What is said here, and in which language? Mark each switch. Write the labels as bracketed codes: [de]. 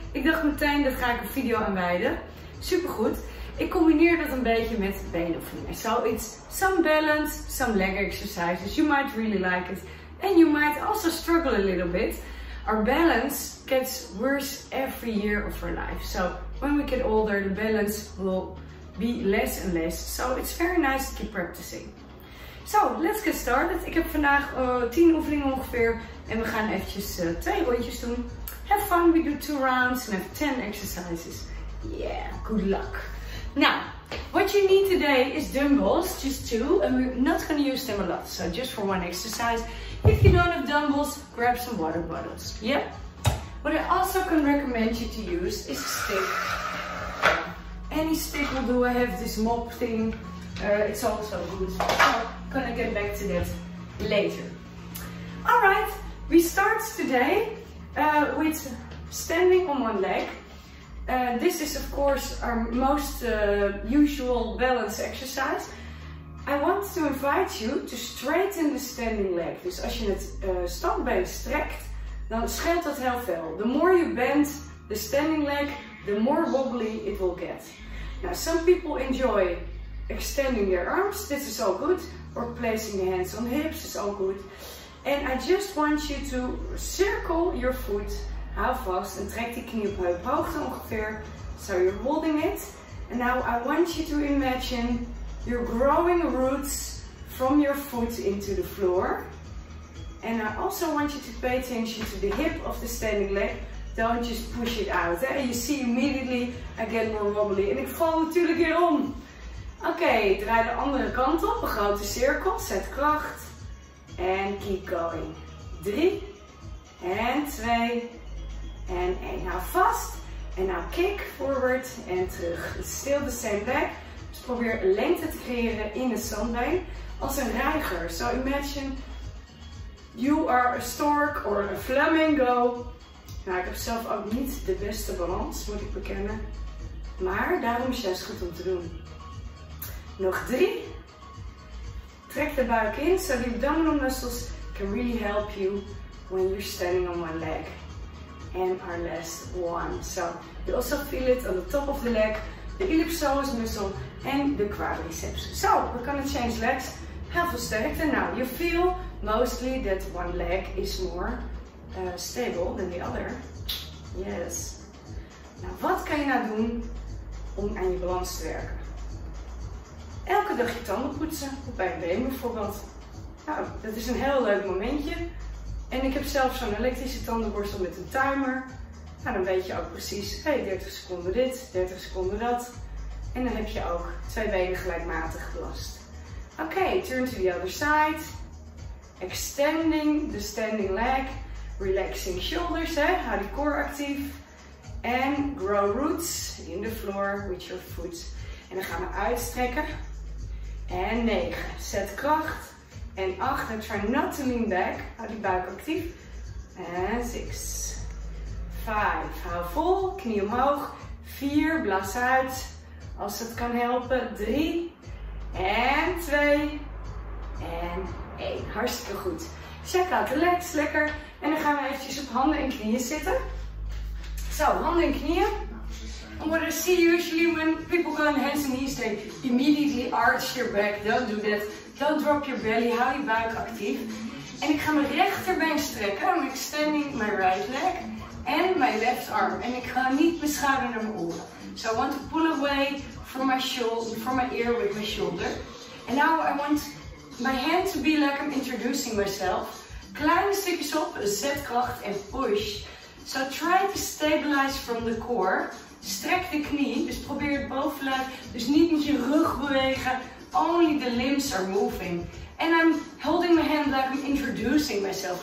[nl] Ik dacht meteen, dat ga ik een video aan wijden. Supergoed. Ik combineer dat een beetje met benenoefeningen. [en] So it's some balance, some leg exercises. You might really like it. And you might also struggle a little bit. Our balance gets worse every year of our life. So when we get older, the balance will be less and less. So it's very nice to keep practicing. So let's get started. [nl] Ik heb vandaag 10 oefeningen ongeveer. En we gaan eventjes 2 rondjes doen. [en] Have fun, we do 2 rounds and have 10 exercises. Yeah, good luck. Now, what you need today is dumbbells, just 2. And we're not going to use them a lot. So just for 1 exercise. If you don't have dumbbells, grab some water bottles. Yep. What I also can recommend you to use is a stick. Any stick will do. I have this mop thing. It's also good. So I'm gonna get back to that later. All right. We start today with standing on one leg. This is of course our most usual balance exercise. I want to invite you to straighten the standing leg. [nl] Dus als je het standbeen strekt, dan scheelt dat heel veel. [en] The more you bend the standing leg, the more wobbly it will get. Now, some people enjoy extending their arms. This is all good. Or placing the hands on the hips is all good. And I just want you to circle your foot. [nl] Hou vast en trek die knie op heuphoogte ongeveer. [en] So you're holding it. And now I want you to imagine you're growing roots from your foot into the floor. And I also want you to pay attention to the hip of the standing leg. Don't just push it out. Eh? You see immediately I get more wobbly. [nl] En ik val natuurlijk weer om. Oké, draai de andere kant op. Een grote cirkel. Zet kracht. En [en] keep going. [nl] 3. En 2. En 1. Hou vast. En nou [en] kick forward [nl] en terug. [en] Still the same leg. [nl] Dus probeer lengte te creëren in het standbeen. Als een reiger. [en] So imagine you are a stork or a flamingo. [nl] Nou, ik heb zelf ook niet de beste balans, moet ik bekennen. Maar daarom is juist goed om te doen. Nog 3. Trek de buik in, [en] so the abdominal muscles can really help you when you're standing on one leg. And our last 1. So, you also feel it on the top of the leg, the iliopsoas muscle and the quadriceps. So, we're gonna change legs. [nl] Heel veel sterkte. [en] Now, you feel mostly that one leg is more stable than the other. Yes. [nl] Nou, wat kan je nou doen om aan je balans te werken? Elke dag je tanden poetsen, op bij een been bijvoorbeeld. Nou, dat is een heel leuk momentje. En ik heb zelf zo'n elektrische tandenborstel met een timer. Nou, dan weet je ook precies, hey, 30 seconden dit, 30 seconden dat. En dan heb je ook 2 benen gelijkmatig belast. [en] Oké, turn to the other side. Extending the standing leg. Relaxing shoulders, [nl] hè? Hou die core actief. [en] En grow roots in the floor with your foot. [nl] En dan gaan we uitstrekken. En 9. Zet kracht. En 8. [en] And try not to lean back. [nl] Hou die buik actief. En 6. 5. Hou vol. Knie omhoog. 4. Blaas uit. Als het kan helpen. 3. En 2. En 1. Hartstikke goed. [en] Check out the legs, [nl] lekker. En dan gaan we eventjes op handen en knieën zitten. Zo, handen en knieën. [en] And what I see usually when people go on hands and knees, they immediately arch your back. Don't do that. Don't drop your belly. [nl] Hou je buik actief. En ik ga mijn rechterbeen strekken. [en] I'm extending my right leg and my left arm. [nl] En ik ga niet mijn schouder naar mijn oren. [en] So I want to pull away from my shoulder, from my ear with my shoulder. And now I want my hand to be like I'm introducing myself. [nl] Kleine stukjes op, zet kracht en [en] push. So try to stabilize from the core. [nl] Strek de knie, dus probeer het bovenlijf. Dus niet met je rug bewegen. [en] Only the limbs are moving. And I'm holding my hand like I'm introducing myself.